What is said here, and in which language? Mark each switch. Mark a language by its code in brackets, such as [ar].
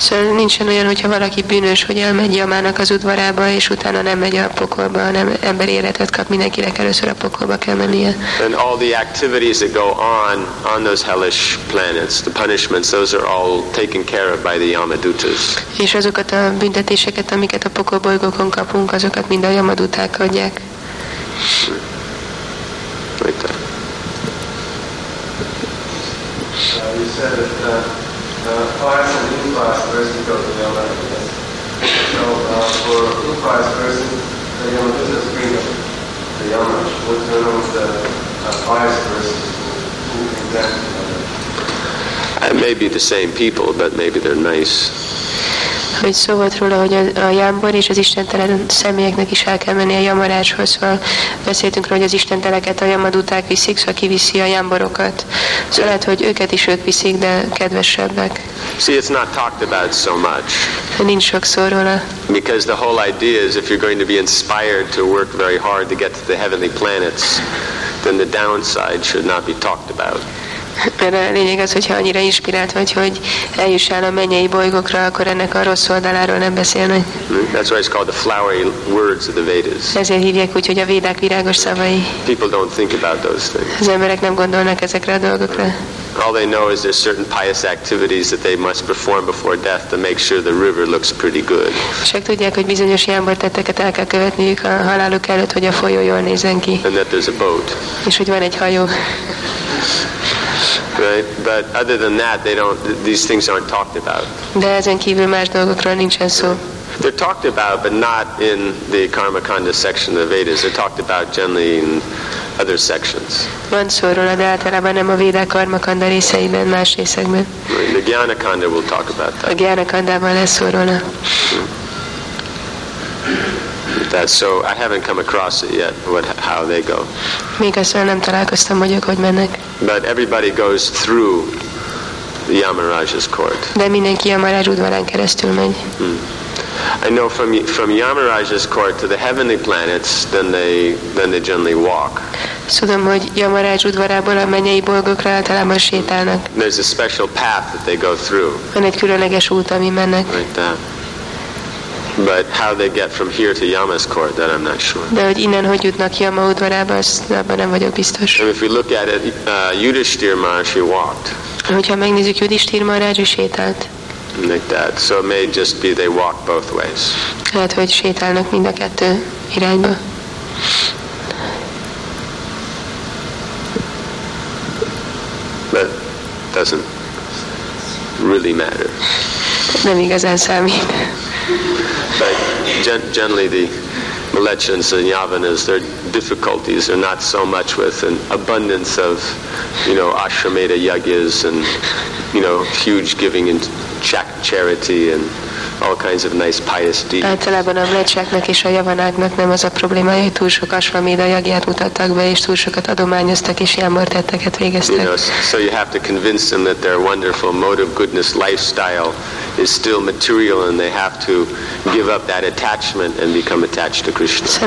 [hu] Szóval nincsen olyan, hogyha valaki bűnös, hogy elmegy Yamának az udvarába, és utána nem megy a pokolba, hanem emberi életet kap, mindenkinek először a pokolba kell mennie. [en] And all the activities that go on those hellish planets, the punishments, those are all taken care of by the Yamadutas. [hu] És azokat a büntetéseket, amiket a pokolbolygókon kapunk, azokat mind a Yamaduták adják. [en] You said that the pious and impious person go to Yamadutas. So for impious person, the Yamadutas bring up the Yamaj. What terms the pious person who can get it may be the same people, but maybe they're nice. [hu] Hogy szó volt róla, hogy a jámbor és az istentelen személyeknek is el kell menni a Yamarajhoz. Szóval beszéltünk róla, hogy az istenteleket a Yamaduták viszik, szóval kiviszi a jámborokat. Szóval lehet, hogy őket is ők viszik, de kedvesebbek. [en] See, it's not talked about so much. [hu] Nincs sok szó róla. [en] Because the whole idea is if you're going to be inspired to work very hard to get to the heavenly planets, then the downside should not be talked about. [hu] Mert a lényeg az, hogyha annyira inspirált vagy, hogy eljussál a mennyei bolygókra, akkor ennek a rossz oldaláról nem beszélnek. [en] That's why it's called the flowery words of the Vedas. [hu] Ezért hívják úgy, hogy a védák virágos szavai. [en] People don't think about those things. [hu] Az emberek nem gondolnak ezekre a dolgokra. [en] All they know is there's certain pious activities that they must perform before death to make sure the river looks pretty good. [hu] Csak tudják, hogy bizonyos jámbortetteket el kell követniük a haláluk előtt, hogy a folyó jól nézzen ki. [en] And that there's a boat. [hu] És hogy van egy hajó. [en] Right? But other than that, these things aren't talked about. [hu] De ezen kívül más dolgokról nincsen szó. [en] They're talked about, but not in the Karmakanda section of the Vedas. They're talked about generally in other sections. [hu] Van szó róla, de általában nem a Védák Karmakanda részeiben, más részekben. [en] In the Gyanakanda we'll talk about that. [hu] A Gyanakandában lesz szó róla. [en] That, so I haven't come across it yet, what, how they go. [hu] Még ezzel nem találkoztam, hogy ők hogy mennek. [en] But everybody goes through the Yamaraj's court. [hu] De mindenki Yamaraj udvarán keresztül megy. [en] I know from Yamaraj's court to the heavenly planets, then they generally walk. [hu] Tudom, hogy Yamaraj udvarából a mennyei bolgokra általában sétálnak. [en] There's a special path that they go through. [hu] Van egy különleges út, ami mennek. [en] Like that. But how they get from here to Yama's court, that I'm not sure. [hu] De hogy innen hogy jutnak Yama udvarába, abban nem vagyok biztos. [en] And if we look at it, Yudhisthira Maharshi walked. [hu] Hogyha megnézzük, Yudhisthira Maharshi sétált. [en] Like that. So it may just be they walk both ways. [hu] Lehet, hogy sétálnak mind a kettő irányba. [en] But doesn't really matter. [hu] Nem igazán számít. [en] But generally the Mlechans and Yavanas, their difficulties are not so much with an abundance of, you know, Ashwamedha yagyas and, you know, huge giving and charity and all kinds of nice pious deeds. [hu] Általában a Mlechaknak és a Yavanáknak nem az a problémája, hogy túl sok Ashwamedha yagyát mutattak be, és túl sokat adományoztak, és jámortetteket végeztek. [en] You know, so you have to convince them that their wonderful mode of goodness lifestyle is still material, and they have to give up that attachment and become attached to Krishna.